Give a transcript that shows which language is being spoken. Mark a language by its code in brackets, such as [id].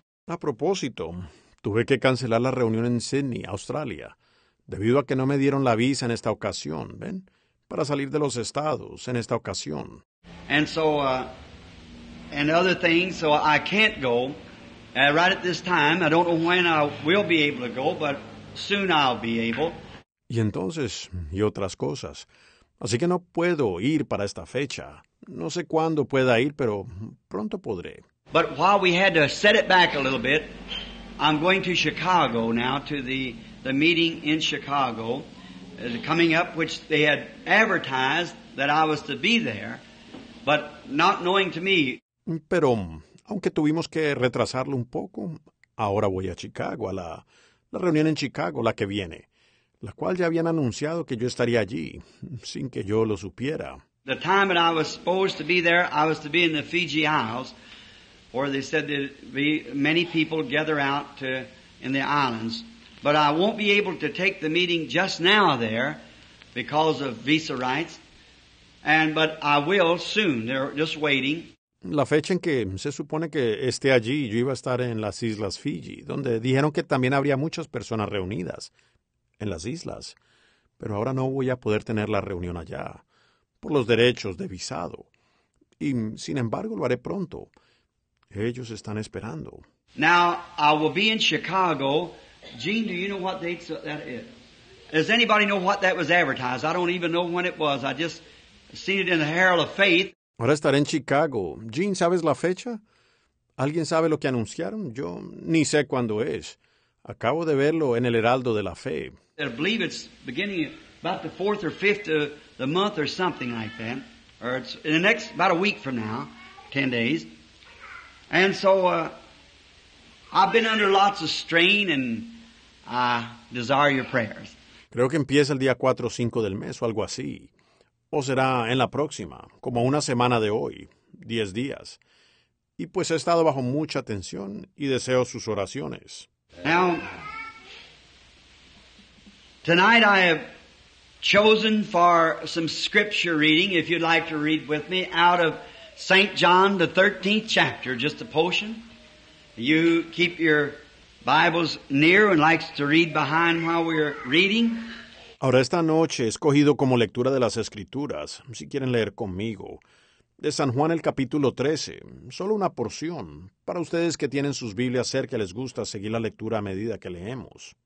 [es] A propósito, tuve que cancelar la reunión en Sydney, Australia, debido a que no me dieron la visa en esta ocasión, ¿ven? Para salir de los Estados en esta ocasión. [en] And so, and other things, so I can't go right at this time. I don't know when I will be able to go, but soon I'll be able. [es] Y entonces, y otras cosas. Así que no puedo ir para esta fecha. No sé cuándo pueda ir, pero pronto podré. [en] But while we had to set it back a little bit, I'm going to Chicago now to the meeting in Chicago coming up, which they had advertised that I was to be there, but not knowing to me. [es] Pero aunque tuvimos que retrasarlo un poco, ahora voy a Chicago, a la reunión en Chicago, la que viene, la cual ya habían anunciado que yo estaría allí, sin que yo lo supiera. [en] The time that I was supposed to be there, I was to be in the Fiji Isles. Or they said there'd be many people gather out to, in the islands. But I won't be able to take the meeting just now there because of visa rights. But I will soon. They're just waiting. [es] La fecha en que se supone que esté allí, yo iba a estar en las Islas Fiji, donde dijeron que también habría muchas personas reunidas en las islas. Pero ahora no voy a poder tener la reunión allá por los derechos de visado. Y, sin embargo, lo haré pronto. Ellos están esperando. [en] Now, I will be in Chicago. Gene, do you know what date that is? Does anybody know what that was advertised? I don't even know when it was. I just seen it in the Herald of Faith. [es] Ahora estaré en Chicago. Gene, ¿sabes la fecha? ¿Alguien sabe lo que anunciaron? Yo ni sé cuándo es. Acabo de verlo en el Heraldo de la Fe. [en] I believe it's beginning about the 4th or 5th of the month or something like that. Or it's in the next, about a week from now, 10 days. And so I've been under lots of strain and I desire your prayers. [es] Creo que empieza el día 4 o 5 del mes o algo así. O será en la próxima, como una semana de hoy, 10 días. Y pues he estado bajo mucha tensión y deseo sus oraciones. [en] Now, tonight I have chosen for some scripture reading, if you'd like to read with me, out of St. John, the 13th chapter, just a portion. You keep your Bibles near and likes to read behind while we're reading. [es] Ahora esta noche he escogido como lectura de las Escrituras, si quieren leer conmigo, de San Juan el capítulo 13, solo una porción, para ustedes que tienen sus Biblias cerca, les gusta seguir la lectura a medida que leemos.